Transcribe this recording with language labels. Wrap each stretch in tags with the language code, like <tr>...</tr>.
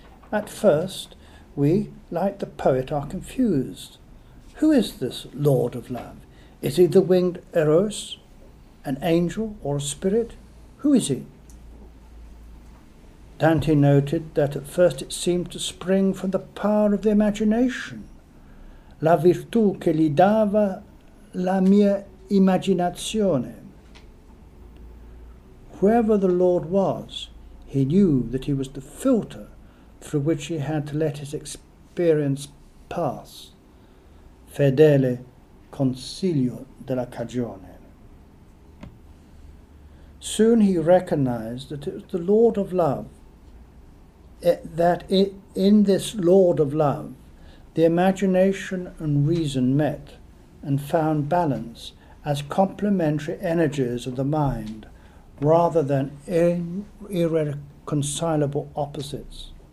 <en>At first, we, like the poet, are confused. Who is this Lord of love? Is he the winged Eros, an angel or a spirit? Who is he? Dante noted that at first it seemed to spring from the power of the imagination.</en> <it>La virtù che gli dava la mia immaginazione.</it> <en>Whoever the Lord was, he knew that he was the filter through which he had to let his experience pass.</en> <it>Fedele consiglio della cagione.</it> <en>Soon he recognized that it was the Lord of love that it, in this Lord of Love, the imagination and reason met and found balance as complementary energies of the mind rather than irreconcilable opposites.</en>